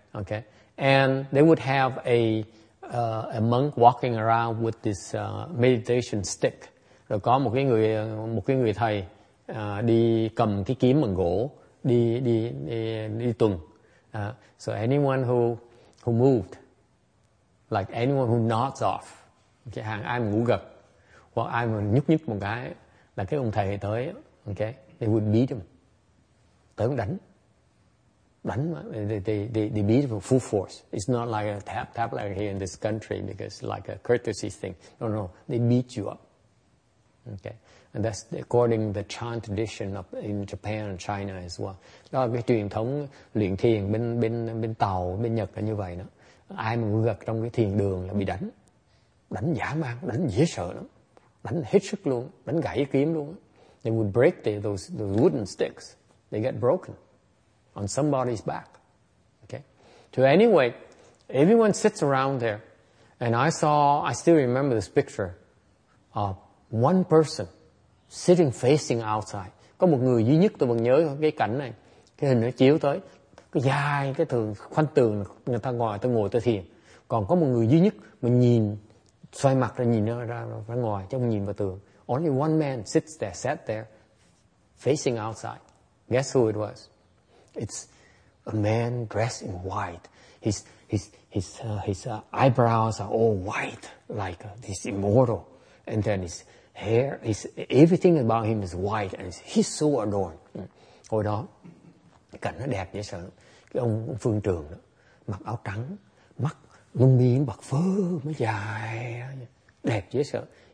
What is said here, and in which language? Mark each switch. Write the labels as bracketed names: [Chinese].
[English] Okay, and they would have a monk walking around with this meditation stick. [Vietnamese] Rồi có một cái người thầy đi cầm cái kiếm bằng gỗ đi tuần. [English] So anyone who moved, like anyone who nods off, [Vietnamese] okay, hàng ai ngủ gật hoặc ai mà nhúc một cái là cái ông thầy tới, okay, [English] they would beat him, [Vietnamese] tới ông đánh. [English] run, the beautiful full force. It's not like a tablet here in this country because like a courtesy thing. No, no, they beat you up. Okay, and that's according to the Chan tradition of in Japan and China as well. [Vietnamese] Đó là cái truyền thống luyện thiền bên bên bên Tàu, bên Nhật là như vậy đó. Ai mà gật trong cái thiền đường là bị đánh, đánh dã man, đánh dễ sợ lắm, đánh hết sức luôn, đánh gãy kiếm luôn. [English] They would break those wooden sticks. They get broken on somebody's back. Okay. So anyway, everyone sits around there, and I still remember this picture of one person sitting facing outside. [Vietnamese] Có một người duy nhất tôi vẫn nhớ cái cảnh này, cái hình nó chiếu tới, cái dài cái tường khoanh tường người ta ngồi, tôi ngồi tôi thiền. Còn có một người duy nhất mà nhìn xoay mặt ra nhìn ra ngoài, trông nhìn vào tường. [English] Only one man sits there, sat there, facing outside. Guess who it was? It's a man dressed in white. His eyebrows are all white, like this immortal. And then his hair, everything about him is white, and he's so adorned. [Vietnamese] Hồi đó, cảnh nó đẹp dễ sợ. Cái ông phương trường đó, mặc áo trắng, mắt lông mi bạc phơ, mới dài, đẹp dễ sợ.